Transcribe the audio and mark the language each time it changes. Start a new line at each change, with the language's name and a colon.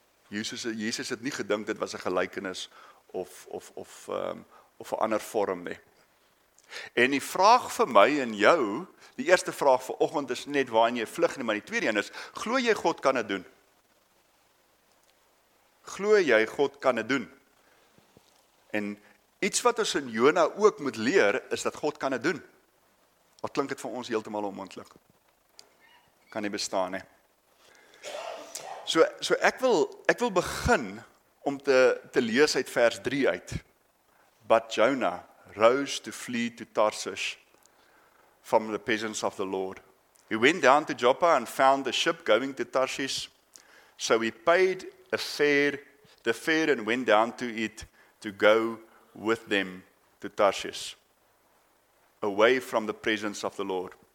Afrikaans: Jesus het nie gedink dit was 'n gelykenis of 'n ander vorm nie. En die vraag vir my en jou, die eerste vraag vir oggend is net waarheen jy vlug nie, maar die tweede een is, glo jy God kan dit doen? Glo jy God kan dit doen? En iets wat ons in Jona ook moet leer, is dat God kan dit doen. Wat klink dit vir ons heeltemal onmoontlik? Kan nie bestaan nie. So ek wil begin om te lees uit vers 3 uit.
English: But Jonah rose to flee to Tarshish from the presence of the Lord. He went down to Joppa and found the ship going to Tarshish. So he paid the fare and went down to it to go with them to Tarshish, away from the presence of the Lord.